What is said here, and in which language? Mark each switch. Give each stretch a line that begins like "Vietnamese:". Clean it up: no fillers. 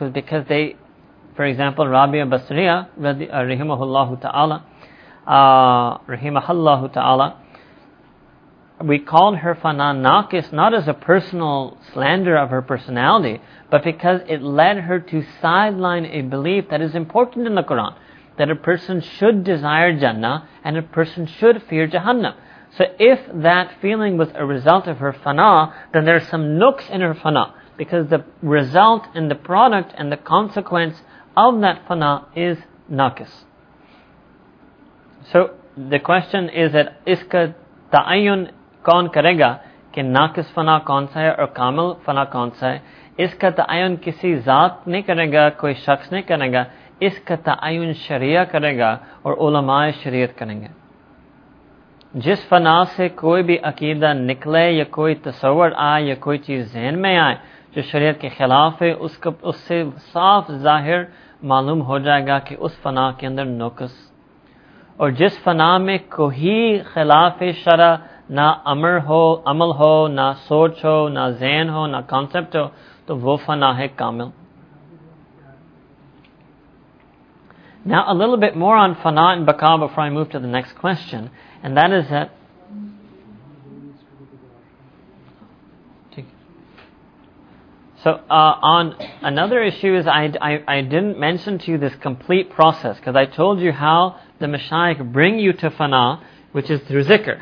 English: Was because they, for example, Rabia Basriya, rahimahullahu ta'ala, we called her fana naqis not as a personal slander of her personality, but because it led her to sideline a belief that is important in the Quran, that a person should desire Jannah and a person should fear Jahannam. So if that feeling was a result of her fana, then there are some nooks in her fana, because the result and the product and the consequence of that fana is naqis. So the question is that
Urdu: اسکا تعین کون کریگا، کی ناقص فنا کون سا ہے اور کامل فنا کون سا ہے؟ اسکا تعین کسی ذات نے کریگا، کوئی شخص نے کریگا، اسکا تعین شریعہ کریگا اور علماء شریعت کرینگے۔ جس فنا سے کوئی بھی عقیدہ نکلے، یا کوئی تصور آئے، یا کوئی چیز ذہن میں آئے جو شریعت کے خلاف ہے، اسسے صاف ظاہر معلوم ہو جائیگا کی اس فنا کے اندر نقص۔ اور جس فنا میں کوئی خلاف شرع نا امر ہو، عمل ہو، نا سوچ ہو، نا ذہن ہو، نا concept ہو، تو وہ فنا ہے کامل۔
English: Now a little bit more on fana and baka before I move to the next question. And that is that, on another issue is I didn't mention to you this complete process, because I told you how the mashayikh bring you to fana, which is through zikr.